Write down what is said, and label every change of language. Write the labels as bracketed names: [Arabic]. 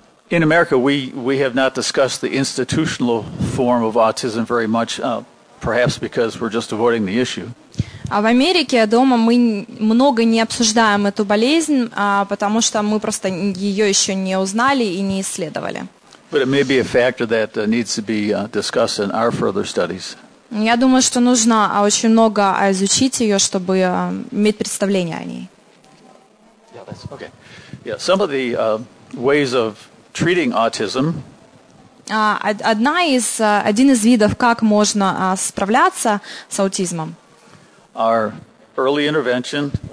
[English] In America, we have not discussed the institutional form of autism very much, perhaps because we're just avoiding the issue. [Russian] А в Америке дома мы много не обсуждаем эту болезнь, потому что мы просто ее еще не узнали и не исследовали. [English] But it may be a factor that needs to be discussed in our further studies. [Russian] Я думаю, что нужно очень много изучить ее, чтобы иметь представление о ней. [English] Yeah, that's okay. Yeah, some of the ways of treating autism. [Russian] Один из видов, как можно справляться с аутизмом. [English] Our early intervention.